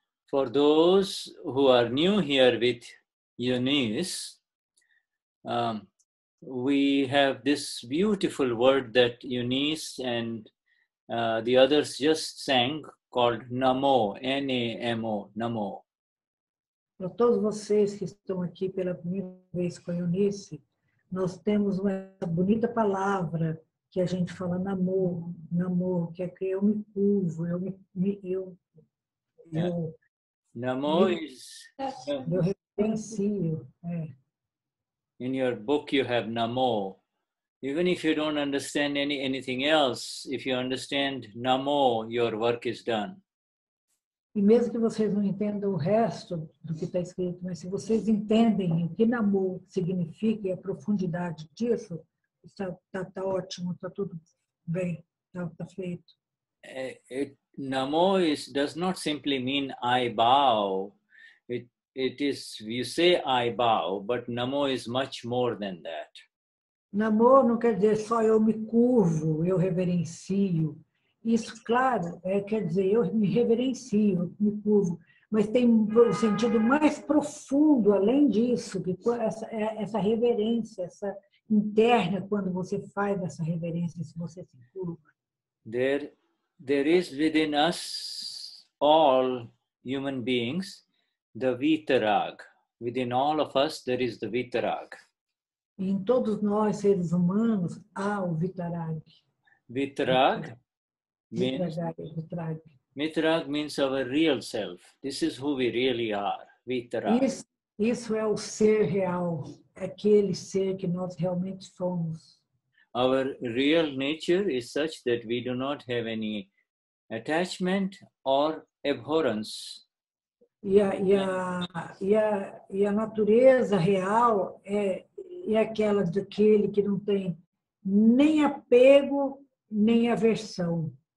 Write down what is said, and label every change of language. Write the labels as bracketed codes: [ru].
[en] For those who are new here with Eunice, we have this beautiful word that Eunice and the others just sang called Namo, N-A-M-O, Namo. [pt] Para todos vocês que estão aqui pela primeira vez com a Eunice, nós temos uma bonita palavra que a gente fala namo, que eu me curvo, [en] Namo is... [pt] Eu reconheço. [en] In your book you have namo. Even if you don't understand anything else, if you understand namo, your work is done. [pt] E mesmo que vocês não entendam o resto do que está escrito, mas se vocês entendem o que namo significa e a profundidade disso, está ótimo, está tudo bem, está feito. [en] Namo is, does not simply mean I bow. It is, you say I bow, but namo is much more than that. [pt] Namo não quer dizer só eu me curvo, eu reverencio. Isso, claro, quer dizer, eu me reverencio, me curvo, mas tem um sentido mais profundo, além disso, que essa reverência, essa interna, quando você faz essa reverência, se você se curva. [en] There is within us, all human beings, the vitarag. Within all of us, there is the vitarag. [pt] Em todos nós, seres humanos, há o vitarag. [en] Vitarag. Vitarag means our real self. This is who we really are. Vitarag. [pt] Isso é o ser real, aquele ser que nós realmente somos. [en] Our real nature is such that we do not have any attachment or abhorrence. [pt] E a natureza real é aquela daquele que não tem nem apego nem aversão.